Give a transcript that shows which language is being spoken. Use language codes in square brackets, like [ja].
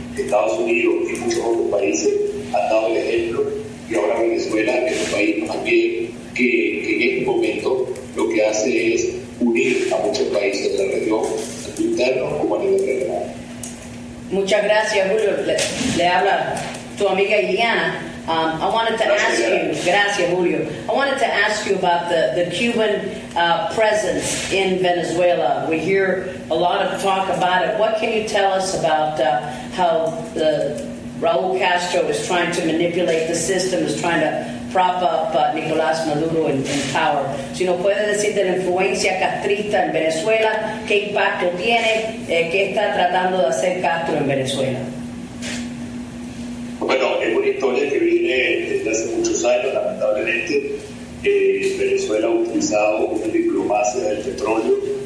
[es] Estados Unidos y muchos otros países han dado el ejemplo, y ahora Venezuela es un país más bien que en este momento lo que hace es unir a muchos países de la región, tanto interno como a nivel regional. Muchas gracias, Julio. Le habla tu amiga Iliana. [en] I wanted to ask you, [es] gracias [en] Julio, I wanted to ask you about the Cuban presence in Venezuela. We hear a lot of talk about it. What can you tell us about how the Raul Castro is trying to manipulate the system, is trying to prop up Nicolás Maduro in power? [es] Si nos puede decir de la influencia castrista en Venezuela, qué impacto tiene, qué está tratando de hacer Castro en Venezuela. Bueno, es una historia que viene desde hace muchos años, lamentablemente. Venezuela ha utilizado una diplomacia del petróleo.